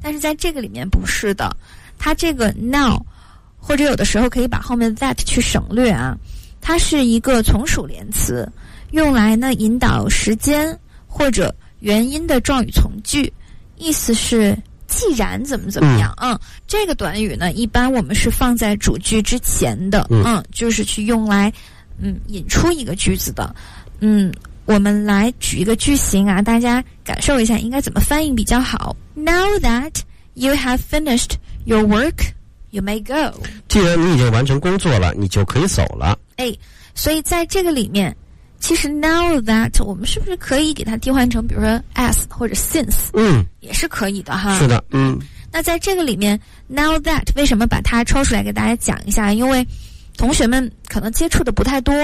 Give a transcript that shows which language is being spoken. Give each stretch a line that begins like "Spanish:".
Chinese: 但是在这个里面不是的，它这个 now 或者有的时候可以把后面 that 去省略啊，它是一个从属连词，用来呢引导时间或者原因的状语从句，意思是既然怎么怎么样啊、嗯嗯、这个短语呢一般我们是放在主句之前的嗯就是去用来引出一个句子的。嗯，我们来举一个句型啊，大家感受一下应该怎么翻译比较好。
English: Now that you have finished your work, you may go.
Chinese: 既然你已经完成工作了，你就可以走了。哎，所以在这个里面其实 now that 我们是不是可以给它替换成比如说 as 或者 since，嗯，也是可以的哈。是的，嗯。那在这个里面 now that 为什么把它抽出来给大家讲一下，因为同学们可能接触的不太多，